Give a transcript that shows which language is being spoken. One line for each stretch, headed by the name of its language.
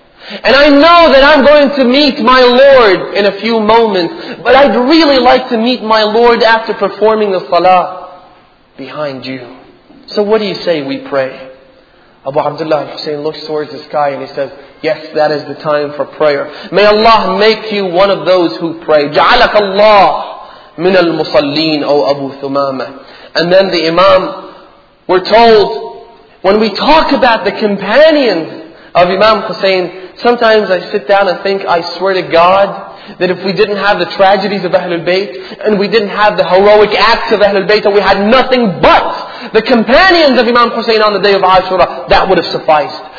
English: And I know that I'm going to meet my Lord in a few moments, but I'd really like to meet my Lord after performing the salah behind you. So what do you say we pray? Abu Abdullah al-Hussein looks towards the sky and he says, yes, that is the time for prayer. May Allah make you one of those who pray.
Arabic: جَعَلَكَ اللَّهُ مِنَ الْمُصَلِّينَ O Abu Thumama.
English: And then the Imam, we're told, when we talk about the companions of Imam Hussein, sometimes I sit down and think, I swear to God, that if we didn't have the tragedies of Ahlul Bayt, and we didn't have the heroic acts of Ahlul Bayt, and we had nothing but the companions of Imam Hussein on the day of Ashura, that would have sufficed.